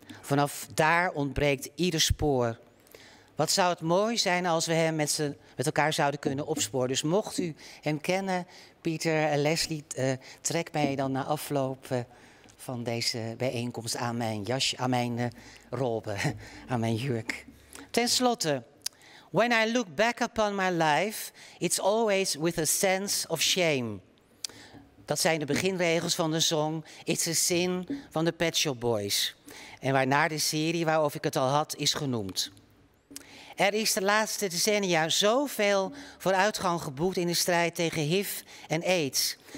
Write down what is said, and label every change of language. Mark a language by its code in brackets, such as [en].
[nl] Vanaf daar ontbreekt ieder spoor. Wat zou het mooi zijn als we hem met elkaar zouden kunnen opsporen. Dus mocht u hem kennen, Pieter en Leslie, trek mij dan na afloop van deze bijeenkomst aan mijn jasje, aan mijn robe, aan mijn jurk. Ten slotte, [en] when I look back upon my life, it's always with a sense of shame. [nl] Dat zijn de beginregels van de song It's a Sin van de Pet Shop Boys. En waarna de serie waarover ik het al had is genoemd. Er is de laatste decennia zoveel vooruitgang geboekt in de strijd tegen HIV en AIDS.